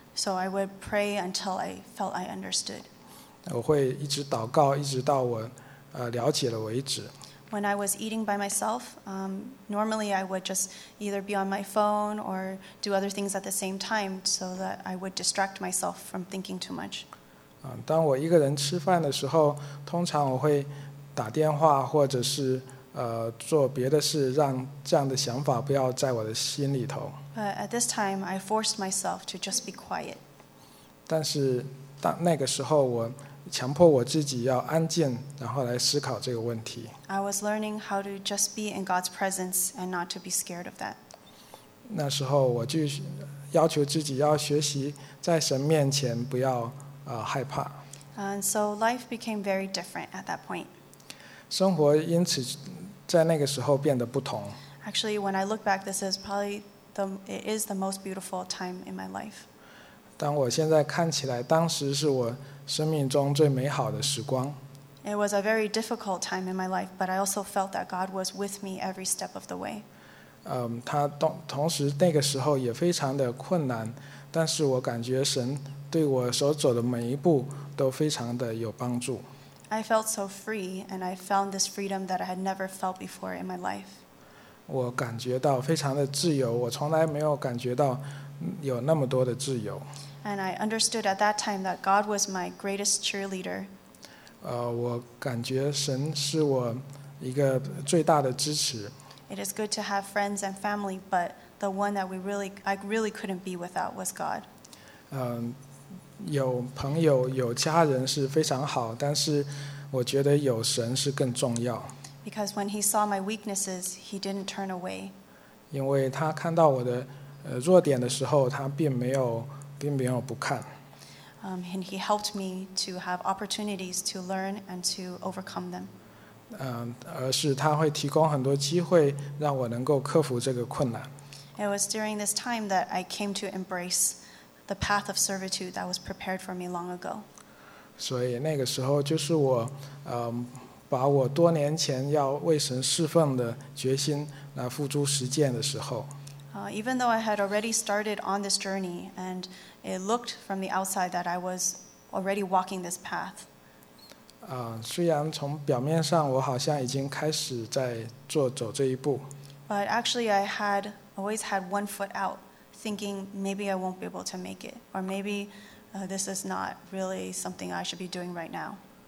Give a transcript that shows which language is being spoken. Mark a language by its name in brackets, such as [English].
[English] So I would pray until I felt I understood. [Chinese] 我会一直祷告一直到我了解了为止。 [English] When I was eating by myself, normally I would just either be on my phone or do other things at the same time so that I would distract myself from thinking too much. [Chinese] 当我一个人吃饭的时候，通常我会打电话或者是做别的事，让这样的想法不要在我的心里头。 [English] But at this time, I forced myself to just be quiet. [Chinese] 但是当那个时候我强迫我自己要安静，然后来思考这个问题。 [English] I was learning how to just be in God's presence and not to be scared of that. [Chinese] 那时候我就要求自己要学习在神面前不要害怕。 [English] And so life became very different at that point. [Chinese] 生活因此在那个时候变得不同。 [English] Actually, when I look back, this is probably it is the most beautiful time in my life. [Chinese] 当我现在看起来，当时是我生命中最美好的时光。 [English] It was a very difficult time in my life, but I also felt that God was with me every step of the way. [Chinese] 他同时那个时候也非常的困难，但是我感觉神对我所走的每一步都非常的有帮助。 [English] I felt so free, and I found this freedom that I had never felt before in my life. [Chinese] 我感觉到非常的自由，我从来没有感觉到有那么多的自由。 [English] And I understood at that time that God was my greatest cheerleader. [Chinese] 我感觉神是我一个最大的支持。 [English] It is good to have friends and family, but the one that I really couldn't be without was God. [Chinese] 有朋友有家人是非常好，但是我觉得有神是更重要。 [English] Because when he saw my weaknesses, he didn't turn away. [Chinese] 因为他看到我的弱点的时候，他并没有不看。 [English] And he helped me to have opportunities to learn and to overcome them. [Chinese] 而是他会提供很多机会让我能够克服这个困难。 [English] It was during this time that I came to embrace the path of servitude that was prepared for me long ago. [Chinese] 所以那个时候就是我把我多年前要为神侍奉的决心来付诸实践的时候。 [English] Even though I had already started on this journey, and it looked from the outside that I was already walking this path. [Chinese] 虽然从表面上我好像已经开始在走这一步。 [English] But actually I had always had one foot out, thinking maybe I won't be able to make it, or maybe this is not really something I should be doing right now.